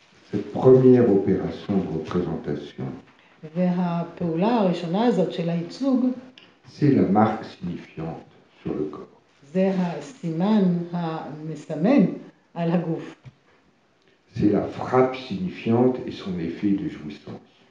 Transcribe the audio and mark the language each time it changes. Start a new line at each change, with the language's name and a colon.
French: cette première opération de représentation.
Hebrew: והפעולה הראשונה הזאת של הייצוג
French: c'est la marque signifiante sur le corps.
Hebrew: זה הסימן המסמן על הגוף.
French: C'est la frappe signifiante et son effet de jouissance.